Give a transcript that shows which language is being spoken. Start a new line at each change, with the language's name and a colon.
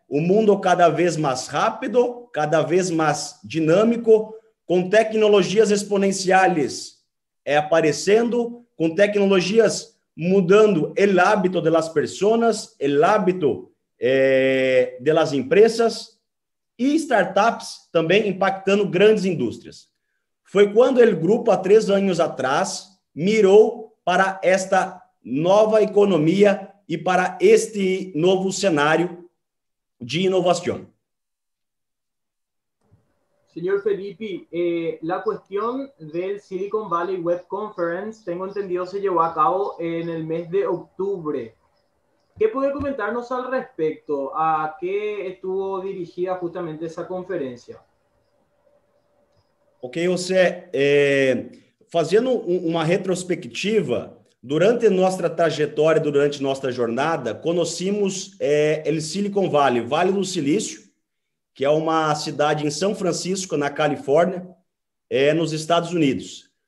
Portuguese: O mundo cada vez mais rápido, cada vez mais dinâmico, com tecnologias exponenciais aparecendo, com tecnologias mudando o hábito das pessoas, o hábito das empresas e startups também impactando grandes indústrias. foi quando o grupo, há 3 anos atrás, mirou para esta nova economia e para este novo cenário de inovação.
Spanish: Señor Felipe, la cuestión del Silicon Valley Web Conference, tengo entendido, se llevó a cabo en el mes de octubre. ¿Qué puede comentarnos al respecto? ¿A qué estuvo dirigida justamente esa conferencia?
Portuguese: Ok, José, fazendo uma retrospectiva, durante nossa trajetória, durante nossa jornada, conhecemos o Silicon Valley, Vale do Silício, que é uma cidade em São Francisco, na Califórnia, nos Estados Unidos.